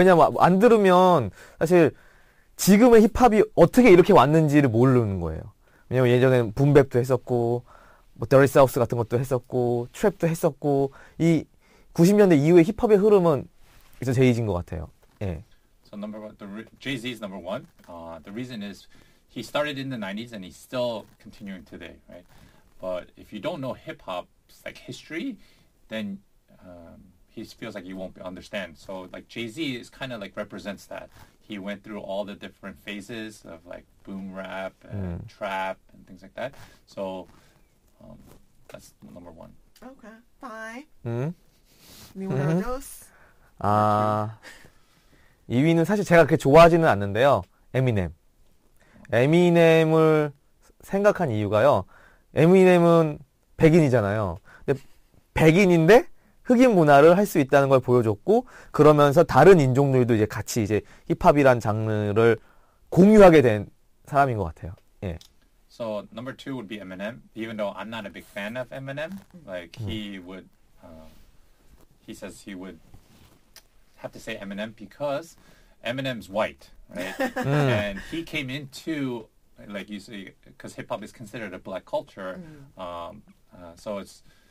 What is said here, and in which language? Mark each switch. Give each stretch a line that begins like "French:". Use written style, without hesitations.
Korean: 왜냐면 안 들으면 사실 지금의 힙합이 어떻게 이렇게 왔는지를 모르는 거예요. 왜냐면 예전엔 붐뱁도 했었고, 뭐, 더리사우스 같은 것도 했었고, 트랩도 했었고, 이 90년대 이후의 힙합의 흐름은 이제 제이지인 것 같아요. 예.
English: So, number one, Jay-Z is number one. The reason is he started in the 90s and he's still continuing today, right? But if you don't know hip-hop's like history, then he feels like you won't understand. So, like, Jay-Z is kind of like represents that. He went through all the different phases of like boom rap and trap and things like that. So that's number one. Okay, fine. Hmm. Number two.
Korean: 아 2위는 사실 제가 그렇게 좋아하지는 않는데요. Eminem. Eminem을 생각한 이유가요. Eminem은 백인이잖아요. 근데 백인인데 흑인 문화를 할 수 있다는 걸 보여줬고 그러면서 다른 인종들도 이제 같이 이제 힙합이란 장르를 공유하게 된 사람인 것 같아요. 예.
English: So number two would be Eminem. Even though I'm not a big fan of Eminem, like he would, he says he would have to say Eminem because Eminem's white, right? And he came into like you see, because hip-hop is considered a black culture, so it's.